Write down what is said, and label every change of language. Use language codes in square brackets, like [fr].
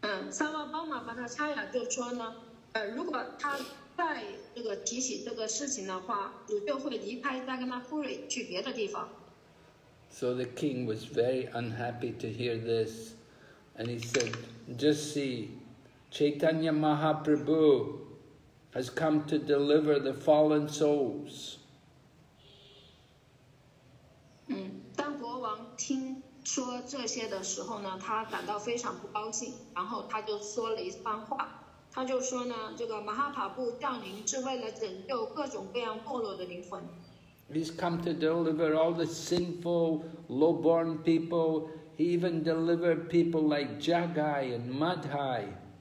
[en] So the king was very unhappy to hear this, and he said, just see, Chaitanya Mahaprabhu has come to deliver the fallen souls. [zh] 当国王听说这些的时候呢，他感到非常不高兴，然后他就说了一番话。 [en] He's come to deliver all the sinful, low-born people. He even delivered people like Jagai and Madhai.